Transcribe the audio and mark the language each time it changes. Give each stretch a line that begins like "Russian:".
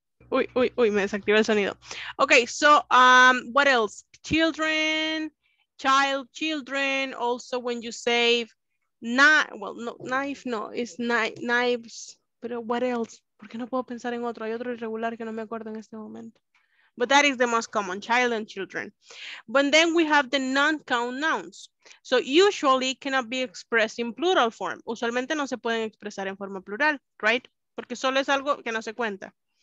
Spanish: Uy, me desactivó el sonido.
English: Okay, so what else? Children, also when you save knives, pero what else?
Spanish: ¿Por qué no puedo pensar en otro? Hay otro irregular que no me acuerdo en este momento.
English: But that is the most common, child and children. But then we have the non-count nouns. So usually cannot be expressed in plural form.
Spanish: Usualmente no se pueden expresar en forma plural, right? Porque solo es algo que no se cuenta.